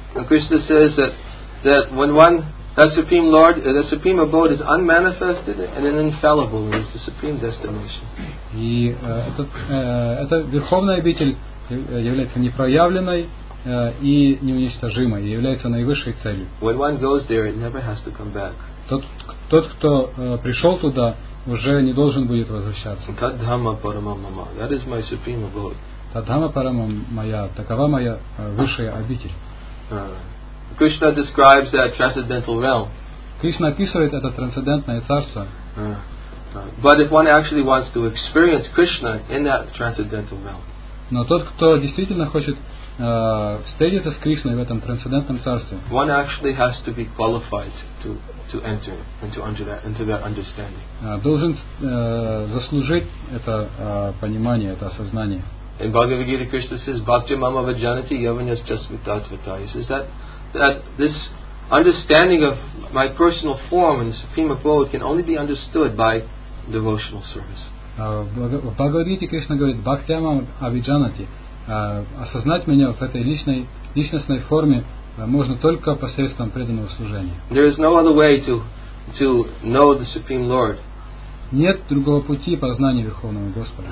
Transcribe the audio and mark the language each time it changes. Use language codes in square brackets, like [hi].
[en] Krishna says that when one that supreme lord the supreme abode is unmanifested and infallible and is the supreme destination. [ru] И это верховная обитель является непроявленной и неуничтожимой, и является наивысшей целью. [en] When one goes there, it never has to come back. [ru] Тот, кто пришел туда, уже не должен будет возвращаться. [sa] Таддхамма парамамма, [en] that is my supreme abode. [sa] Таддхамма парамамма, [ru] такова моя высшая обитель. [en] Krishna describes that transcendental realm. [ru] Кришна описывает это трансцендентное царство. [en] But if one actually wants to experience Krishna in that transcendental realm. [ru] Но тот, кто действительно хочет встретиться с Кришной в этом трансцендентном царстве, [en] one actually has to be qualified to enter into that understanding. [ru] Должен заслужить это понимание, это осознание. [en] In Bhagavad Gita, Krishna says, [sa] "Bhakti mama vajanati yavanyas chasmitatvata." [en] He says that this understanding of my personal form and the supreme abode can only be understood by devotional service. [ru] В Бхагавад Гите Кришна говорит, [sa] Бхактяма Авиджанати, [ru] осознать меня в этой личностной форме можно только посредством преданного служения. [en] There is no other way to know the Supreme Lord. [ru] Нет другого пути познания Верховного Господа.